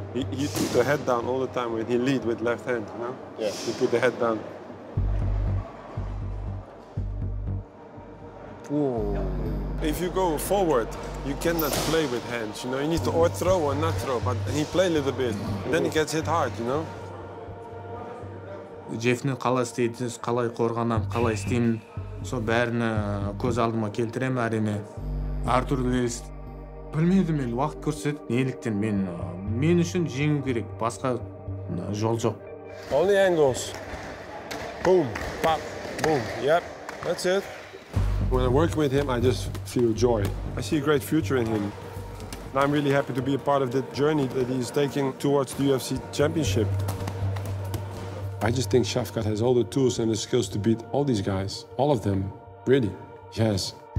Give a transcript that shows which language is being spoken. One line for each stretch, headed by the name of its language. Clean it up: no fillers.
English: He took the head down all the time when he lead with left hand, you know? Yeah. He put the head down. Whoa. If you go forward, you cannot play with hands, you know? You need to or throw or not throw, but he play a little bit. And then he gets hit hard, you know?
Kazakh: Jeff, қалай істейдіңіз, қалай қорғанам, қалай істеймін. Со бәрін көз алдыма келтірем әрине. Артур Лейс, білмедім мен, уақыт көрсет, неліктен мен, мен үшін жеңу керек, басқа жол жоқ.
English: Only angles. Boom, pop, boom, yep, that's it. When I work with him, I just feel joy. I see a great future in him. And I'm really happy to be a part of that journey that he's taking towards the UFC championship. I just think Shafkat has all the tools and the skills to beat all these guys, all of them, really, yes.